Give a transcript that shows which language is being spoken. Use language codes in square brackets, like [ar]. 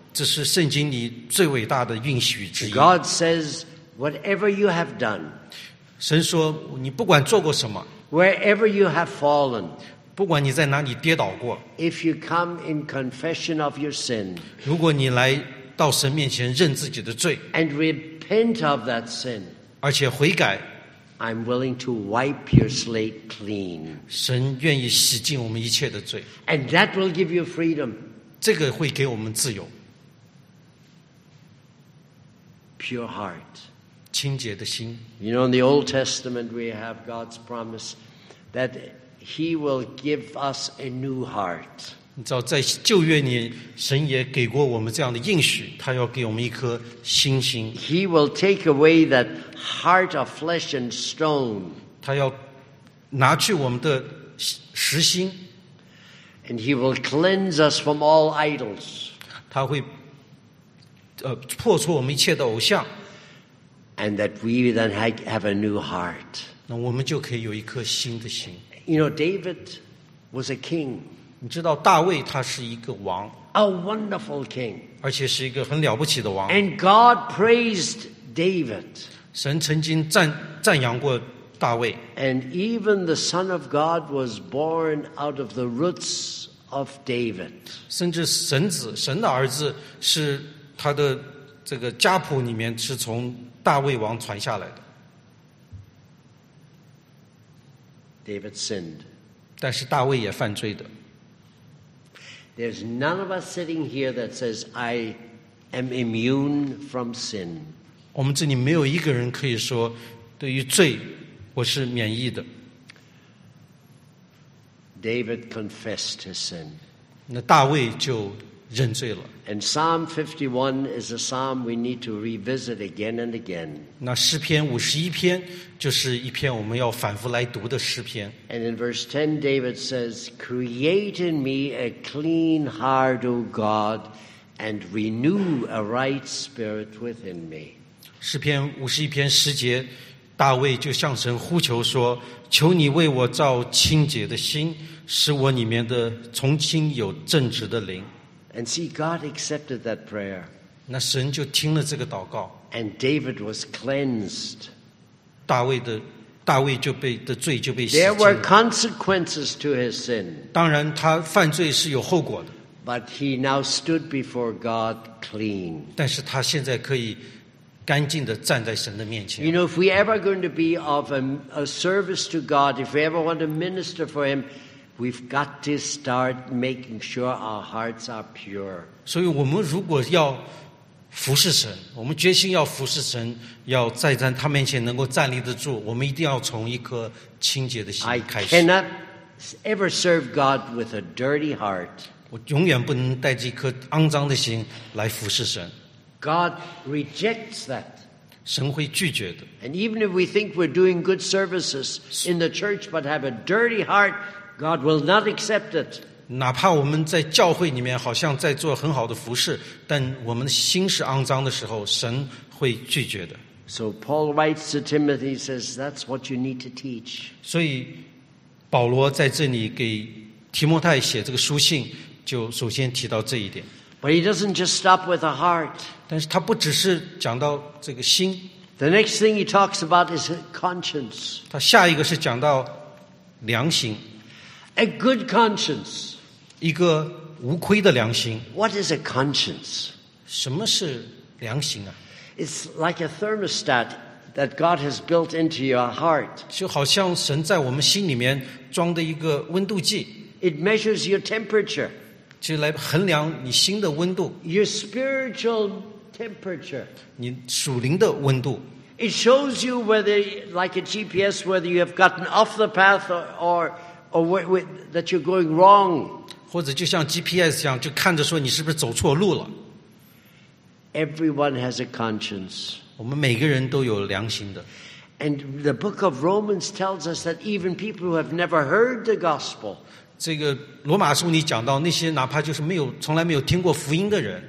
[zh] 这是圣经里最伟大的应许之一。 [en] God says, whatever you have done, [zh] 神说你不管做过什么， [en] wherever you have fallen, [zh] 不管你在哪里跌倒过， [en] if you come in confession of your sin, [zh] 如果你来到神面前认自己的罪， [en] and repent of that sin, [zh] 而且悔改， [en] I'm willing to wipe your slate clean. [zh] 神愿意洗净我们一切的罪。 [en] And that will give you freedom. [zh] 这个会给我们自由。 [en] Pure heart. [zh] 清洁的心。 [en] You know, in the Old Testament, we have God's promise that He will give us a new heart. [zh] 你知道，在旧约里，神也给过我们这样的应许，他要给我们一颗新心。 [en] He will take away that heart of flesh and stone. [zh] 他要拿去我们的石心。 [en] And he will cleanse us from all idols. [zh] 他会破除我们一切的偶像。 [en] And that we then have a new heart. [zh] 那我们就可以有一颗新的心。 [en] You know, David was a king. [zh] 你知道大卫他是一个王。 [en] A wonderful king. [zh] 而且是一个很了不起的王。 [en] And God praised David. [zh] 神曾经赞扬过大卫。 [en] And even the Son of God was born out of the roots of David. [zh] 甚至神子，神的儿子是他的这个家谱里面是从大卫王传下来的。 [en] David sinned. [zh] 但是大卫也犯罪的。 [en] There's none of us sitting here that says, I am immune from sin. [zh] 我们这里没有一个人可以说，对于罪，我是免疫的。 [en] David confessed his sin. [zh] 那大卫就认罪了。 [en] And Psalm 51 is a psalm we need to revisit again and again. [zh] 那诗篇五十一篇就是一篇我们要反复来读的诗篇。 [en] And in verse 10, David says, Create in me a clean heart, O God, and renew a right spirit within me. [zh] 诗篇五十一篇十节，大卫就向神呼求说，求你为我造清洁的心，使我里面的从心有正直的灵。 [en] And see, God accepted that prayer. [zh] 那神就听了这个祷告。 [en] And David was cleansed. [zh] 大卫就被的罪就被洗净了。 [en] There were consequences to his sin. [zh] 当然他犯罪是有后果的。 [en] But he now stood before God clean. [zh] 但是他现在可以干净地站在神的面前。 [en] You know, if we ever going to be of a service to God, if we ever want to minister for him,We've got to start making sure our hearts are pure. [zh] 所以我们如果要服侍神，我们决心要服侍神，要在他面前能够站立得住，我们一定要从一颗清洁的心开始。 [en] I cannot ever serve God with a dirty heart. [zh] 我永远不能带着一颗肮脏的心来服侍神。 [en] God rejects that. [zh] 神会拒绝的。 [en] And even if we think we're doing good services in the church but have a dirty heart,God will not accept it. [zh] 哪怕我们在教会里面好像在做很好的服事，但我们心是肮脏的时候，神会拒绝的。 [en] So Paul writes to Timothy, says that's what you need to teach. [zh] 所以保罗在这里给提摩太写这个书信，就首先提到这一点。 [en] But he doesn't just stop with a heart. [zh] 但是他不只是讲到这个心。 [en] The next thing he talks about is conscience. [zh] 他下一个是讲到良心。 [en] A good conscience. [zh] 一个无愧的良心。 [en] What is a conscience? [zh] 什么是良心啊？ [en] It's like a thermostat that God has built into your heart. [zh] 就好像神在我们心里面装的一个温度计。 [en] It measures your temperature. [zh] 就来衡量你心的温度。 [en] Your spiritual temperature. [zh] 你属灵的温度。 [en] It shows you whether, like a GPS, whether you have gotten off the path or or wait, that you're going wrong. [zh] 或者就像 GPS 一样，就看着说你是不是走错路了。 [en] Everyone has a conscience. [zh] 我们每个人都有良心的。 [en] And the book of Romans tells us that even people who have never heard the gospel. [zh] 这个罗马书你讲到那些哪怕就是没有从来没有听过福音的人。